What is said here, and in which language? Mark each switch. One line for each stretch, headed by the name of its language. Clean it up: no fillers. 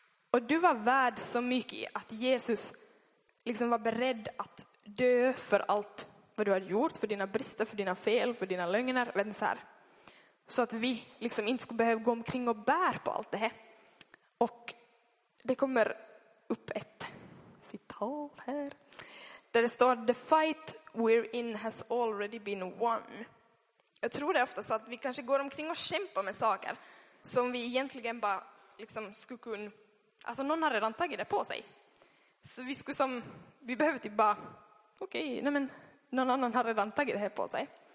Swedish: Och du var värd så mycket att Jesus liksom var beredd att dö för allt vad du har gjort, för dina brister, för dina fel, för dina lögner, vet ni, så här. Så att vi liksom inte skulle behöva gå omkring och bära på allt det här. Och det kommer upp ett citat här. Där det står,
English: the fight we're in has already been won.
Swedish: Jag tror det ofta så att vi kanske går omkring och kämpar med saker som vi egentligen bara liksom skulle kunna, alltså någon har redan tagit det på sig. Så vi skulle som, vi behöver typ bara, okej, okay, nej men någon annan har redan tagit det här på sig.